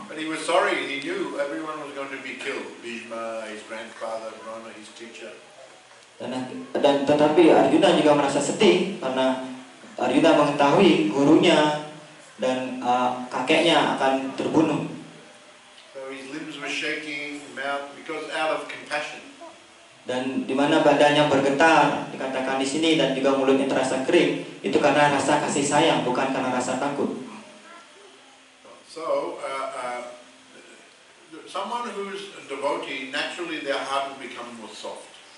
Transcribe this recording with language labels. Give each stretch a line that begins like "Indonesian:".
English: But he was sorry, he knew everyone was going to be killed. Bhishma, his grandfather, Drona, his teacher.
Indonesian: Dan tetapi Arjuna juga merasa sedih karena Arjuna mengetahui gurunya dan kakeknya akan terbunuh.
English: So his limbs were shaking, mouth, because out of compassion.
Indonesian: Dan di mana badannya bergetar dikatakan di sini, dan juga mulutnya terasa kering, itu karena rasa kasih sayang, bukan karena rasa takut.
English: So someone who's a devotee, naturally their heart will become more soft.